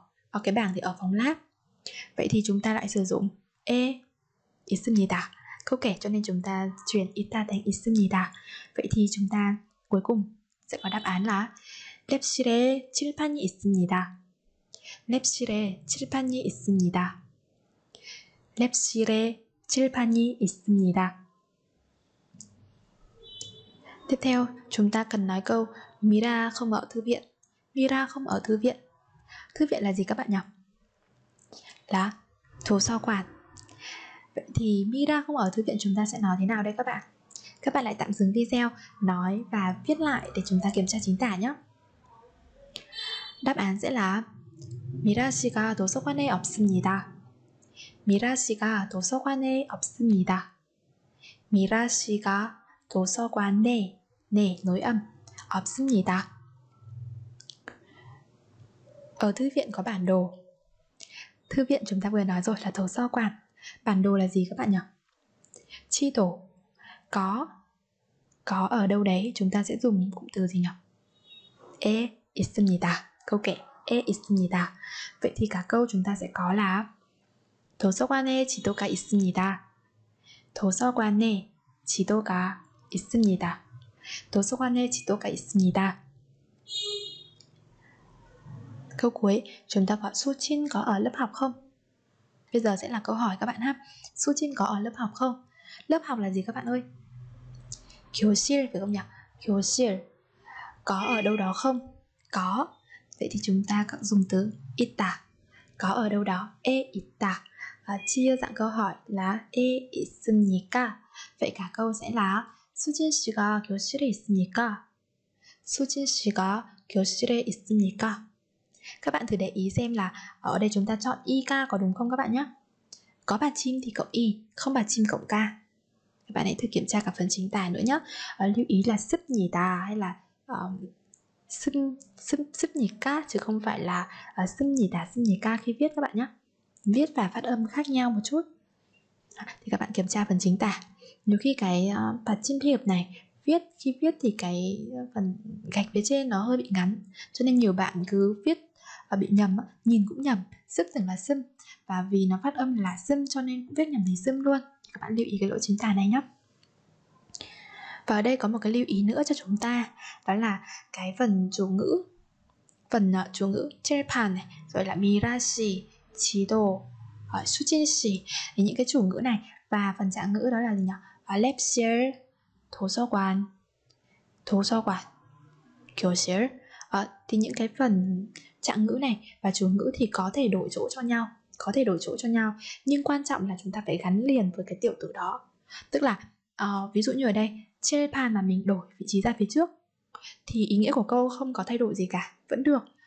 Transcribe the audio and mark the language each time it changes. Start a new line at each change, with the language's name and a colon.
Vietnamese: Ở cái bảng thì ở phòng lab. Vậy thì chúng ta lại sử dụng
Korean: 에 있습니다,
Vietnamese: câu kể, cho nên chúng ta chuyển 있다 thành 있습니다. Vậy thì chúng ta cuối cùng sẽ có đáp án là
Korean: 렙실에 칠판이 있습니다. 랩실에 칠판이 있습니다. 랩실에 칠판이 있습니다.
Vietnamese: Tiếp theo, chúng ta cần nói câu Mira không ở thư viện. Mira không ở thư viện. Thư viện là gì các bạn nhỉ? Là thư sở quán. Vậy thì Mira không ở thư viện chúng ta sẽ nói thế nào đây các bạn? Các bạn lại tạm dừng video, nói và viết lại để chúng ta kiểm tra chính tả nhé. Đáp án sẽ là
Korean: 미라 씨가 도서관에 없습니다. 미라 씨가 도서관에 없습니다. 미라 씨가 도서관에 네 nối âm 없습니다.
Vietnamese: Ở thư viện có bản đồ. Thư viện chúng ta vừa nói rồi là 도서관. Bản đồ là gì các bạn nhỉ? 지도. Có. Có ở đâu đấy, chúng ta sẽ dùng cụm từ gì nhỉ?
Korean: 에 있습니다.
Vietnamese: Câu kể.
Korean: 에 있습니다.
Vietnamese: Vậy thì cả câu chúng ta sẽ có là
Korean: 도서관에 지도가 있습니다. 도서관에 지도가 있습니다. 도서관에 지도가 있습니다.
Vietnamese: Câu cuối, chúng ta có Su-chin có ở lớp học không? Bây giờ sẽ là câu hỏi các bạn ha. Su-chin có ở lớp học không? Lớp học là gì các bạn ơi? 교실 phải không nhỉ? 교실. Có ở đâu đó không? Có. Vậy thì chúng ta cộng dùng từ 있다. Có ở đâu đó? 에 있다. Và chia dạng câu hỏi là
Korean: 에 있습니까?
Vietnamese: Vậy cả câu sẽ là
Korean: 수진 씨가 교실에 있습니까? 수진 씨가 교실에 있습니까?
Vietnamese: Các bạn thử để ý xem là ở đây chúng ta chọn 이가 có đúng không các bạn nhé? Có bà chim thì cộng 이, không bà chim cộng ca. Các bạn hãy thử kiểm tra cả phần chính tả nữa nhé. Lưu ý là 씁니다 hay là 씁니까 chứ không phải là 씁니다 씁니까 khi viết các bạn nhé. Viết và phát âm khác nhau một chút. Thì các bạn kiểm tra phần chính tả. Nhiều khi cái patchin phiên hợp này viết, khi viết thì cái phần gạch phía trên nó hơi bị ngắn, cho nên nhiều bạn cứ viết bị nhầm, nhìn cũng nhầm, 씁 tưởng là 씁. Và vì nó phát âm là 씁 cho nên viết nhầm thì 씁 luôn. Các bạn lưu ý cái lỗi chính tả này nhé. Và ở đây có một cái lưu ý nữa cho chúng ta, đó là cái phần chủ ngữ, phần chủ ngữ 칠판 này, rồi là 미라 씨, 지도, 수진 씨, những cái chủ ngữ này. Và phần trạng ngữ đó là gì nhỉ?
Korean: 랩실, 도서관, 도서관, 교실.
Vietnamese: Thì những cái phần trạng ngữ này và chủ ngữ thì có thể đổi chỗ cho nhau, có thể đổi chỗ cho nhau, nhưng quan trọng là chúng ta phải gắn liền với cái tiểu từ đó. Tức là ví dụ như ở đây 칠판 mà mình đổi vị trí ra phía trước thì ý nghĩa của câu không có thay đổi gì cả, vẫn được.